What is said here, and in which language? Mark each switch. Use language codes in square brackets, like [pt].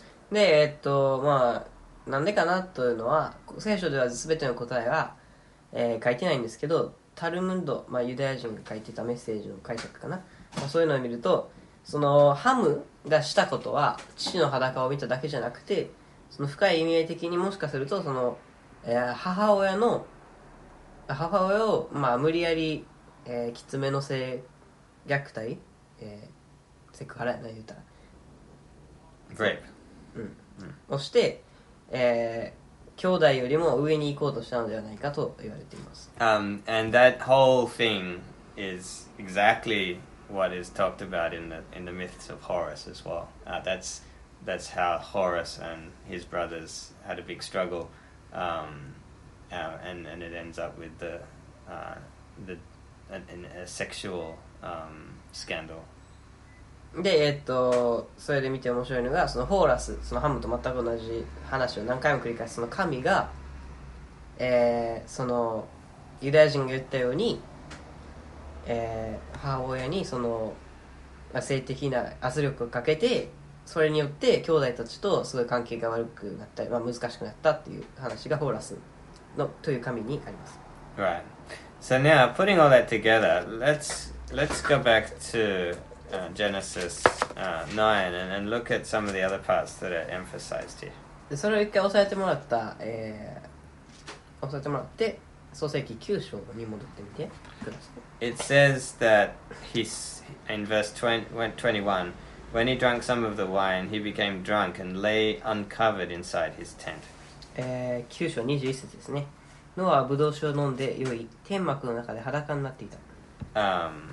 [ja] で、まあなんでかなというのは聖書では全ての答えは、書いてないんですけどタルムンド、まあ、ユダヤ人が書いてたメッセージの解釈かな、まあ、そういうのを見るとそのハムがしたことは父の裸を見ただけじゃなくてその深い意味合い的にもしかするとその、母親を、まあ、無理やり、きつめの性虐待、セクハラやな言うたら [en] Rape、 [ja] うん、をして兄弟よりも上に行こうとしたのではないかと言われています。 [en] And that whole thing is exactly what is talked about in the myths of Horus as well. That's how Horus and his brothers had a big struggle, and it ends up with a sexual scandal. [ja] で、それで見て面白いのがそのホーラス、そのハムと全く同じ話を何回も繰り返すその神が、そのユダヤ人が言ったように、母親にその性的な圧力をかけてそれによって兄弟たちとすごい関係が悪くなったり、まあ、難しくなったっていう話がホーラスのという神にあります。 [en] Right. So now putting all that together, let's go back toGenesis 9 and look at some of the other parts that are emphasized here. [ja] で、それを一回押さえてもらった、押さえてもらって、創世記9章に戻ってみてください。 [en] It says that he's in verse 21, when he drank some of the wine, he became drunk and lay uncovered inside his tent. [ja] 9章21節ですね。ノアはブドウ酒を飲んで酔い、天幕の中で裸になっていた。